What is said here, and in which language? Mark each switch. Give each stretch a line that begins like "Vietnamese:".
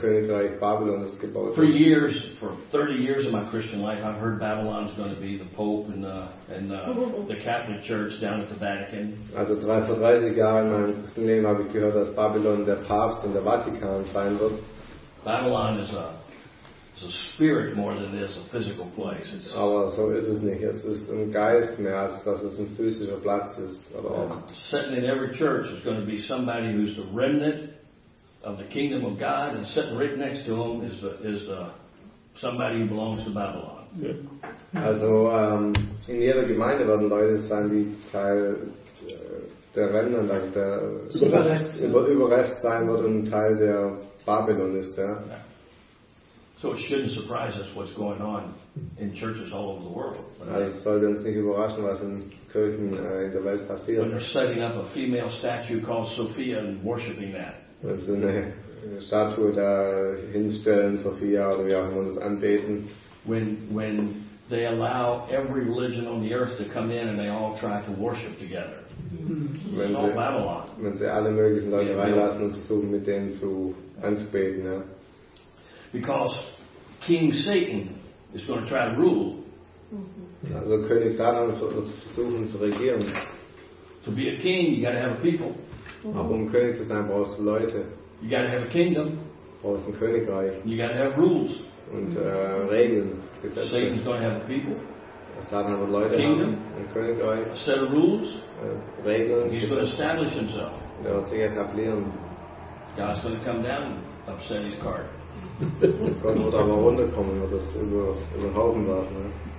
English: For 30 years of my Christian life, I've heard Babylon's going to be the Pope and the Catholic Church down at the Vatican.
German: Also vor 30 Jahren in meinem Christen Leben habe ich gehört, dass Babylon der Papst und der Vatikan sein wird.
English: Babylon is a spirit more than it is a physical place.
German: Aber so ist es nicht. Es ist ein Geist mehr als dass es ein physischer Platz ist. Oder auch.
English: Sitting in every church is going to be somebody who's the remnant of the kingdom of God, and sitting right next to him is the somebody who belongs to Babylon. Yeah.
German: Also in jeder Gemeinde werden Leute sein, die Teil der Remnant, also der Überrest sein wird und Teil der Babylon ist, ja.
English: So it shouldn't surprise us what's going on in churches all over the world.
German: Das sollte uns nicht überraschen, was in Kirchen in der Welt passiert.
English: When they're setting up a female statue called Sophia and worshiping that.
German: Wenn sie eine Statue da hinstellen, Sophia, oder wie auch immer, das anbeten.
English: When they allow every religion on the earth to come in and they all try to worship together.
German: Wenn
English: it's all Babylon.
German: Wenn sie alle möglichen Leute reinlassen und versuchen, mit denen zu anzubeten, ja.
English: Because King Satan is going to try to rule.
German: Also König Satan versuchen zu regieren.
English: To be a king, you got to have a people.
German: Aber um König zu sein, brauchst du Leute.
English: You got to have a kingdom.
German: Brauchst ein Königreich.
English: You got to have rules.
German: Und Regeln. Gesetze.
English: Satan's going to have a people.
German: Satan wird Leute
English: kingdom.
German: Haben. Ein Königreich.
English: A set of rules.
German: Regeln.
English: He's going to establish himself.
German: Er wird sich etablieren.
English: God's going to come down and upset his card.
German: Gott wird aber runterkommen und das über den Haufen werfen.